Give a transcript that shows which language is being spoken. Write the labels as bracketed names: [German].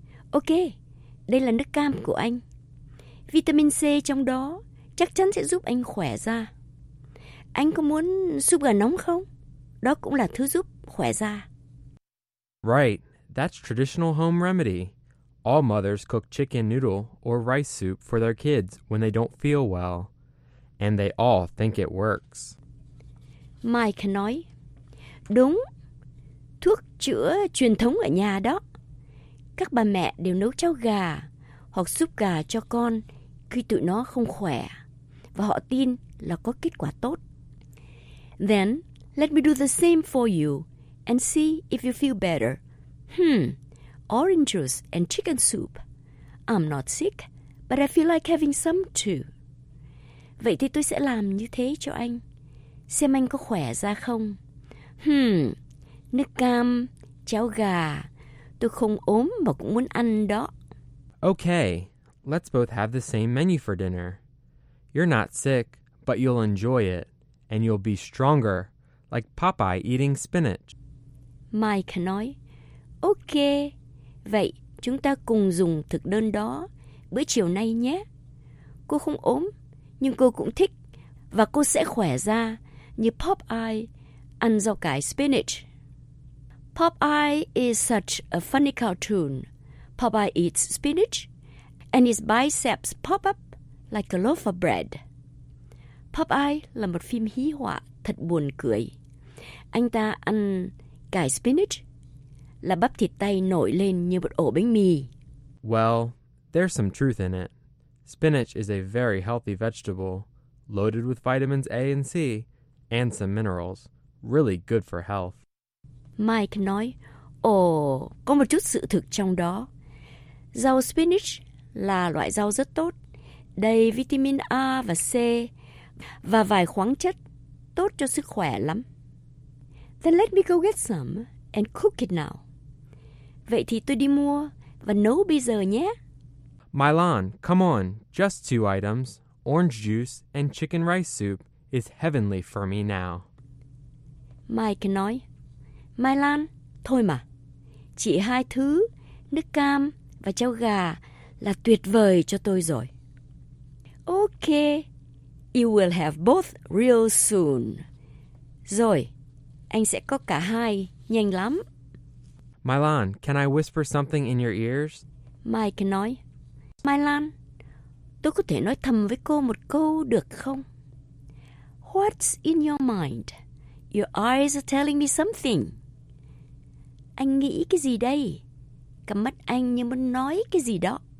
[Vietnamese] Ok, đây là nước cam của anh. Vitamin C trong đó chắc chắn sẽ giúp anh khỏe ra. Anh có muốn súp gà nóng không? Đó cũng là thứ giúp khỏe ra. [English] Right, that's traditional home remedy. All mothers cook chicken noodle or rice soup for their kids when they don't feel well. And they all think it works. [Vietnamese] Mike nói, đúng, thuốc chữa truyền thống ở nhà đó. Các bà mẹ đều nấu cháo gà hoặc súp gà cho con khi tụi nó không khỏe. Và họ tin là có kết quả tốt. [English] Then, let me do the same for you and see if you feel better. Orange juice and chicken soup. I'm not sick, but I feel like having some too. [Vietnamese] Vậy thì tôi sẽ làm như thế cho anh. Xem anh có khỏe ra không. Nước cam, cháo gà. Tôi không ốm mà cũng muốn ăn đó. [English] Okay, let's both have the same menu for dinner. You're not sick, but you'll enjoy it. And you'll be stronger, like Popeye eating spinach. [Vietnamese] Mike nói, okay. Vậy, chúng ta cùng dùng thực đơn đó bữa chiều nay nhé. Cô không ốm, nhưng cô cũng thích và cô sẽ khỏe ra như Popeye ăn rau cải spinach. [English] Popeye is such a funny cartoon. Popeye eats spinach and his biceps pop up like a loaf of bread. [Vietnamese] Popeye là một phim hí họa thật buồn cười. Anh ta ăn cải spinach là bắp thịt tay nổi lên như một ổ bánh mì. [English] Well, there's some truth in it. Spinach is a very healthy vegetable, loaded with vitamins A and C, and some minerals. Really good for health. [Vietnamese] Mike nói, có một chút sự thực trong đó. Rau spinach là loại rau rất tốt, đầy vitamin A và C, và vài khoáng chất tốt cho sức khỏe lắm. [English] Then let me go get some and cook it now. [Vietnamese] Vậy thì tôi đi mua và nấu bây giờ nhé. [English] Mylon, come on, just two items. Orange juice and chicken rice soup is heavenly for me now. [Vietnamese] Mike nói, Mai Lan, thôi mà, chỉ hai thứ, nước cam và cháo gà là tuyệt vời cho tôi rồi. [English] Ok, you will have both real soon. [Vietnamese] Rồi, anh sẽ có cả hai, nhanh lắm. [English] Mai Lan, can I whisper something in your ears? [Vietnamese] Mike nói, Mai Lan, tôi có thể nói thầm với cô một câu được không? [English] What's in your mind? Your eyes are telling me something. [Vietnamese] Anh nghĩ cái gì đây? Cặp mắt anh như muốn nói cái gì đó.